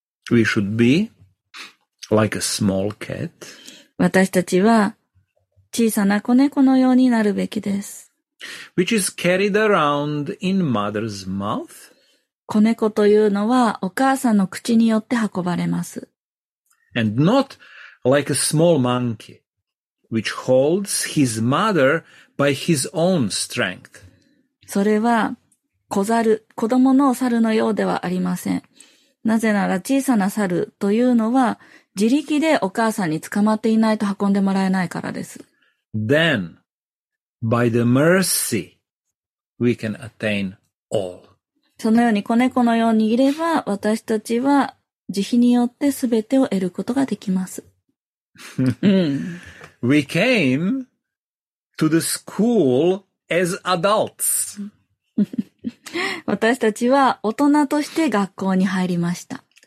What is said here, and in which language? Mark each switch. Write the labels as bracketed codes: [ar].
[en] We should be like a small cat. [ja] 私たちは小さな子猫のようになるべきです。 [en] Which is carried around in mother's mouth. [ja] 子猫というのはお母さんの口によって運ばれます。 [en] And not like a small monkey, which holds his mother by his own strength. [ja] それは子供の猿のようではありません。なぜなら小さな猿というのは自力でお母さんに捕まっていないと運んでもらえないからです。 [en] Then,By the mercy, we can attain all. [ja] そのように子猫のようにいれば、私たちは慈悲によってすべてを得ることができます。 [en] We came to the school as adults. [ja] 私たちは大人として学校に入りました。